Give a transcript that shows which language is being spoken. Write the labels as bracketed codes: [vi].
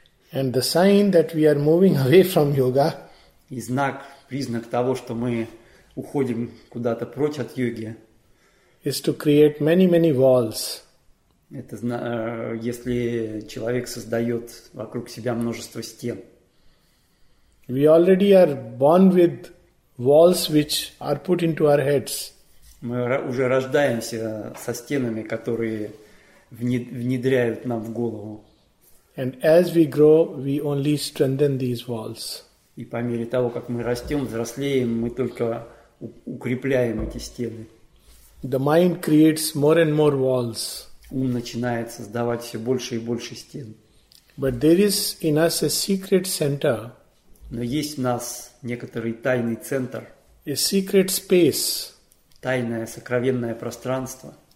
[en] And the sign that we are moving away from yoga, [ru] и знак, признак того, что мы уходим куда-то прочь от йоги, [en] is to create many, many walls. [ru] Это если человек создает вокруг себя множество стен. [en] We already are born with walls which are put into our heads. [ru] Мы уже рождаемся со стенами, которые внедряют нам в голову. [en] And as we grow, we only strengthen these walls. [ru] И по мере того, как мы растем, взрослеем, мы только укрепляем эти стены. [en] The mind creates more and more walls. [ru] Ум начинает создавать все больше и больше стен. [en] But there is in us a secret center. [ru] Но есть в нас некоторый тайный центр. [en] A secret space. [ru] Тайное сокровенное пространство.